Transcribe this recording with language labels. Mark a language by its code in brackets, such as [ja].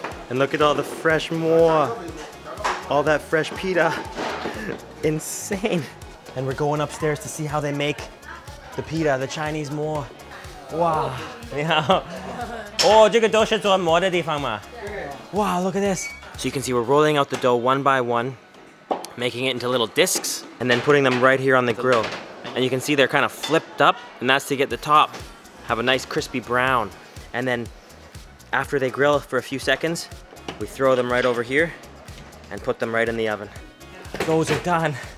[en] And look at all the fresh moa, all that fresh pita, insane. And we're going upstairs to see how they make the pita, the Chinese moa. Wow. [zh] Oh, 这个都是做馍的地方吗? [en] Wow, look at this. So you can see we're rolling out the dough one by one. making it into little discs, and then putting them right here on the grill. And you can see they're kind of flipped up, and that's to get the top have a nice crispy brown. And then after they grill for a few seconds, we throw them right over here and put them right in the oven. Those are done.